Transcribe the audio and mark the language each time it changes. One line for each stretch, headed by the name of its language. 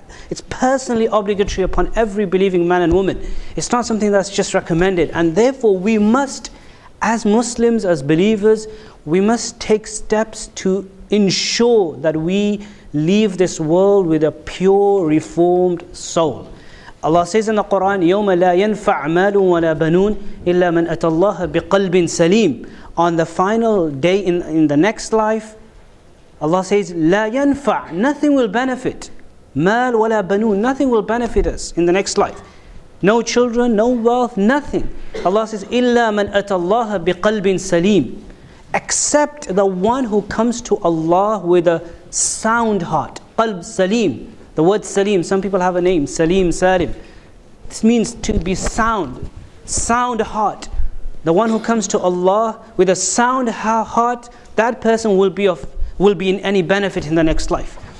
English: It's personally obligatory upon every believing man and woman. It's not something that's just recommended. And therefore, we must, as Muslims, as believers, we must take steps to ensure that we leave this world with a pure, reformed soul. Allah says in the Quran,
Arabic: يَوْمَ لَا يَنْفَعْ مَالٌ وَلَا بَنُونَ إِلَّا مَنْ أَتَى اللَّهَ بِقَلْبٍ سَلِيمٍ.
English: On the final day in the next life, Allah says,
Arabic: لَا يَنْفَعْ,
English: nothing will benefit.
Arabic: مَال وَلَا بَنُونَ,
English: nothing will benefit us in the next life. No children, no wealth, nothing. Allah says,
Arabic: إِلَّا مَنْ أَتَى اللَّهَ بِقَلْبٍ سَلِيمٍ.
English: Except the one who comes to Allah with a sound heart.
Arabic: قَلْب سَلِيمٍ.
English: The word Salim, some people have a name, Salim, Salim. This means to be sound, sound heart. The one who comes to Allah with a sound heart, that person will be in any benefit in the next life.